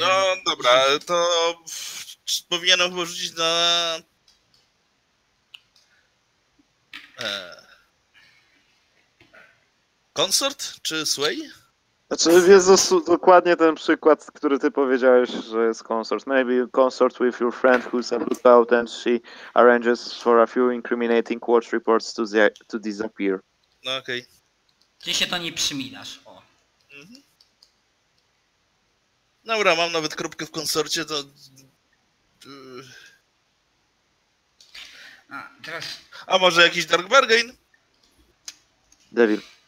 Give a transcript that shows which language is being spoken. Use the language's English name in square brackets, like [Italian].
[Polish] No dobra, to powinienem chyba rzucić na... Consort czy Sway? Znaczy, Jezus, dokładnie ten przykład, który ty powiedziałeś, że jest consort. [English] Maybe you consort with your friend who's a lookout and she arranges for a few incriminating watch reports to disappear. [Polish] No okej. Okay. Ty się to nie przyminasz, o. Mhm. Dobra, mam nawet kropkę w konsorcie, to... A, teraz... A może jakiś Dark Bargain? Devil.